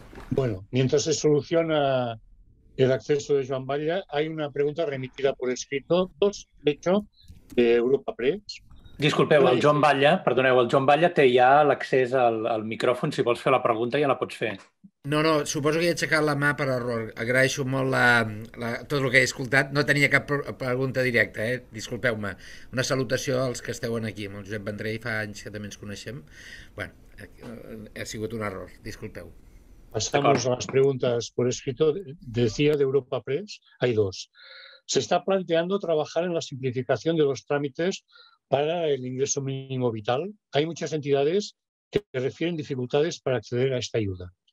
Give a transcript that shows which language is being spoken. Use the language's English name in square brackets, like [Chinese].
[Spanish] Bueno, mientras se soluciona el acceso de Joan Valle, hay una pregunta remitida por escrito, de hecho, de Europa Press. [Catalan] Disculpeu, el Joan Valle, perdoneu, el Joan Valle té ja l'accés al micròfon, si vols fer la pregunta ja la pots fer. No, suposo que he aixecat la mà per error. Agraeixo molt tot el que he escoltat. No tenia cap pregunta directa, disculpeu-me. Una salutació als que esteu aquí, amb el Josep Vendrell, fa anys que també ens coneixem. Bueno, ha sigut un error, disculpeu. [Spanish] Pasamos a las preguntas por escrito. Decía de Europa Press, hay dos. Se está planteando trabajar en la simplificación de los trámites para el ingreso mínimo vital. Hay muchas entidades que refieren dificultades para acceder a esta ayuda.